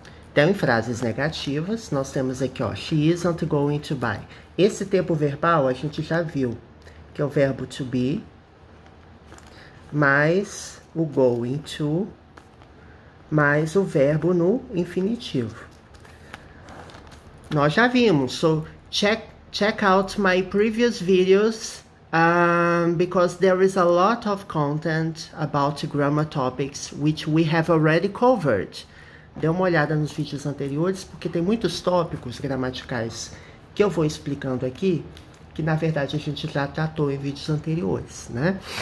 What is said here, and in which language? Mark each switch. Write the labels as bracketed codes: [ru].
[pt] Então, em frases negativas, nós temos aqui, ó. [en] She isn't going to buy. [pt] Esse tempo verbal, a gente já viu que é o verbo to be mais o going to mais o verbo no infinitivo. Nós já vimos. [en] So, check out my previous videos, because there is a lot of content about grammar topics, which we have already covered. [pt] Dê uma olhada nos vídeos anteriores, porque tem muitos tópicos gramaticais que eu vou explicando aqui, que na verdade a gente já tratou em vídeos anteriores, né?